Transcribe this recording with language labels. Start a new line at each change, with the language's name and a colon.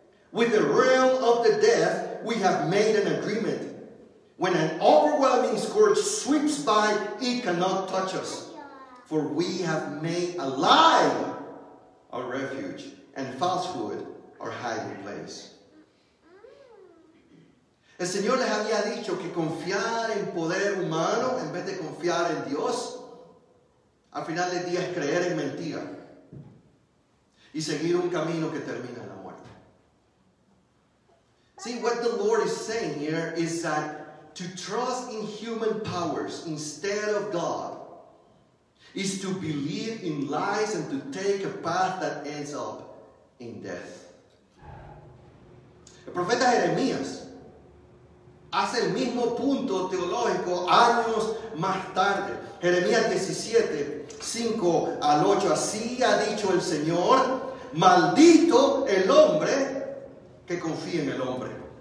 English: With the realm of the dead, we have made an agreement. When an overwhelming scourge sweeps by, it cannot touch us. For we have made a lie our refuge and falsehood our hiding place.
Spanish: El Señor les había dicho que confiar en poder humano en vez de confiar en Dios, al final del día es creer en mentira y seguir un camino que termina en la muerte.
English: See, what the Lord is saying here is that to trust in human powers instead of God is to believe in lies and to take a path that ends up in death.
Spanish: El profeta Jeremías hace el mismo punto teológico años más tarde. Jeremías 17, 5 al 8. Así ha dicho el Señor, maldito el hombre que confía en el hombre.